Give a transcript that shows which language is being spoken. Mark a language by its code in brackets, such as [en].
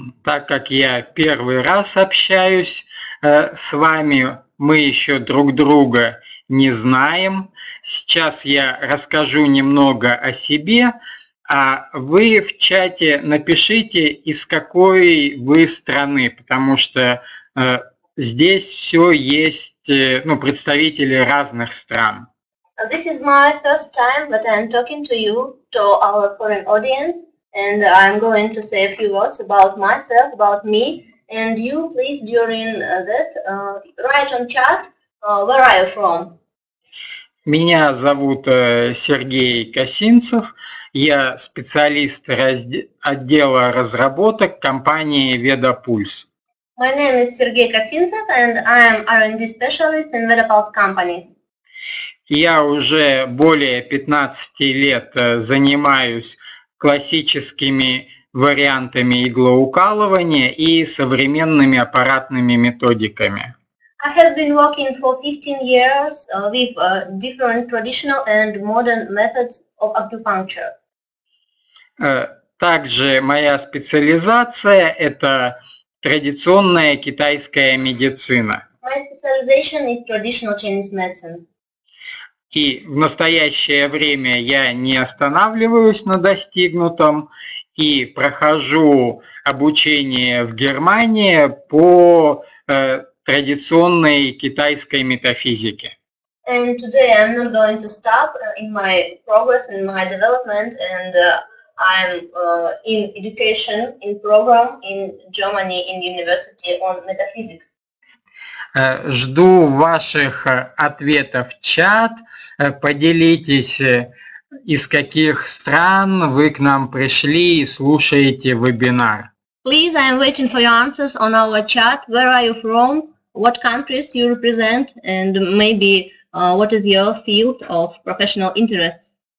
[ru] Так как я первый раз общаюсь с вами, мы еще друг друга не знаем. Сейчас я расскажу немного о себе, а вы в чате напишите, из какой вы страны, потому что здесь все есть, ну, представители разных стран. [en] This is my first time that I'm talking to you, to our foreign audience. And I'm going to say a few words about myself, about me, and you, please, during that, write on chat, where are you from? [ru] Меня зовут Сергей Косинцев. Я специалист отдела разработок компании VedaPulse. [en] My name is Сергей Косинцев, and I am R&D specialist in VedaPulse company. [ru] Я уже более 15 лет занимаюсь классическими вариантами иглоукалывания и современными аппаратными методиками. [en] I have been working for 15 years with different traditional and modern methods of acupuncture. [ru] Также моя специализация – это традиционная китайская медицина. [en] My specialization is traditional Chinese medicine. [ru] И в настоящее время я не останавливаюсь на достигнутом и прохожу обучение в Германии по традиционной китайской метафизике. [en] And today I'm not going to stop in my progress, in my development, and I'm in education, in program in Germany, in university on metaphysics. [ru] Жду ваших ответов в чат. Поделитесь, из каких стран вы к нам пришли и слушаете вебинар. [en] Please, I am waiting for your answers on our chat. Where are you from? What countries you represent? And maybe what is your field of professional interest?